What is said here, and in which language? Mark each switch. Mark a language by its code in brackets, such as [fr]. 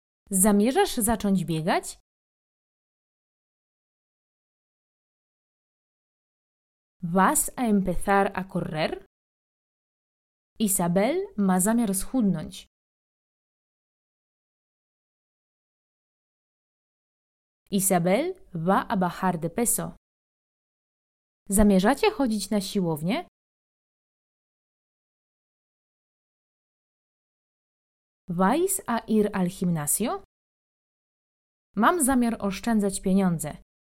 [pl] Zamierzasz zacząć biegać? [es] Vas a empezar a correr? [pl] Isabel ma zamiar schudnąć. [es] Isabel va a bajar de peso. [pl] Zamierzacie chodzić na siłownię? [es] Vais a ir al gimnasio? [pl] Mam zamiar oszczędzać pieniądze.